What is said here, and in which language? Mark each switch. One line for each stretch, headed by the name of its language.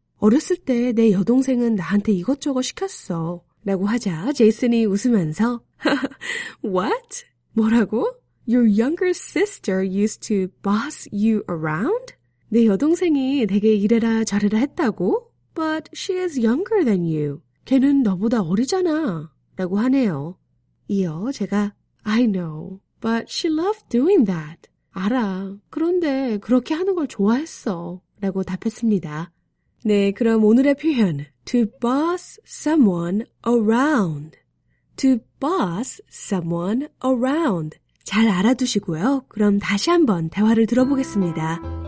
Korean: 어렸을 때 내 여동생은 나한테 이것저것 시켰어. 라고 하자 제이슨이 웃으면서
English: What?
Korean: 뭐라고?
English: Your younger sister used to boss you around?
Korean: 내 여동생이 되게 이래라 저래라 했다고?
English: But she is younger than you.
Korean: 걔는 너보다 어리잖아. 라고 하네요. 이어 제가
English: I know, but she loved doing that.
Korean: 알아. 그런데 그렇게 하는 걸 좋아했어. 라고 답했습니다. 네, 그럼 오늘의 표현.
English: To boss someone around. To boss someone around.
Korean: 잘 알아두시고요. 그럼 다시 한번 대화를 들어보겠습니다.